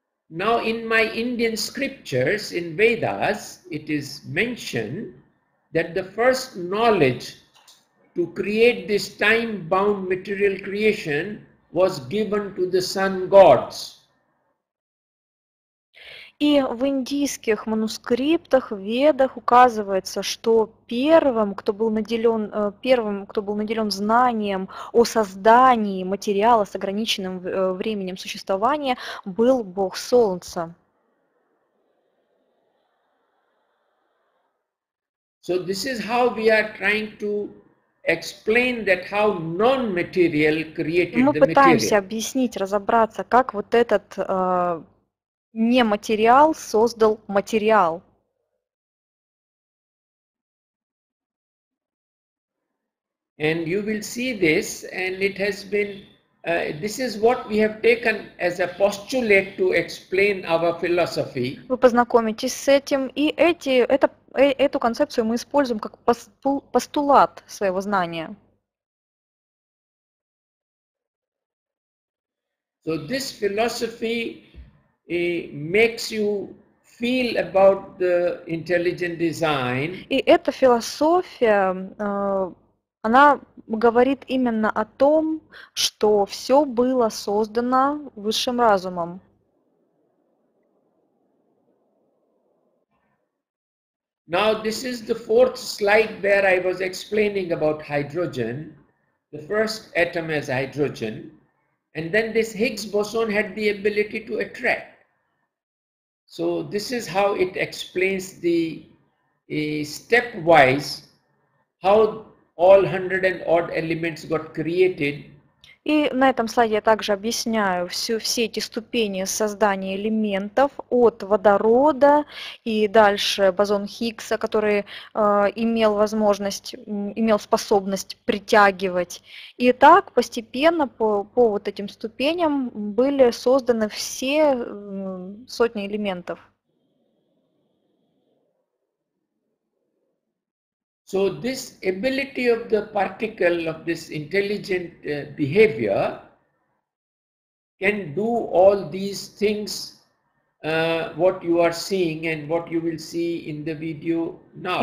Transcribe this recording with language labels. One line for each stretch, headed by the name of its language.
English: Now in my Indian scriptures, in Vedas, it is mentioned that the first knowledge to create this time-bound material creation was given to the sun gods.
Russian: И в индийских манускриптах, в Ведах указывается, что первым, кто был наделен знанием о создании материала с ограниченным временем существования, был Бог Солнца.
English: So this is how we are trying to explain that how non-material created the material.
Russian: Мы пытаемся объяснить, разобраться, как вот этот не материал создал материал.
English: And you will see this, and it has been, this is what we have taken as a postulate to explain our philosophy.
Russian: Вы познакомитесь с этим, и эту концепцию мы используем как постулат своего знания.
English: So this philosophy makes you feel about the intelligent design.
Russian: И эта философия, она говорит именно о том, что все было создано высшим разумом.
English: Now this is the fourth slide where I was explaining about hydrogen, the first atom as hydrogen, and then this Higgs boson had the ability to attract. So this is how it explains the stepwise how all 100 and odd elements got created.
Russian: И на этом слайде я также объясняю все эти ступени создания элементов от водорода и дальше бозон Хиггса, который имел способность притягивать. И так постепенно по вот этим ступеням были созданы все сотни элементов.
English: So this ability of the particle of this intelligent behavior can do all these things what you are seeing and what you will see in the video now.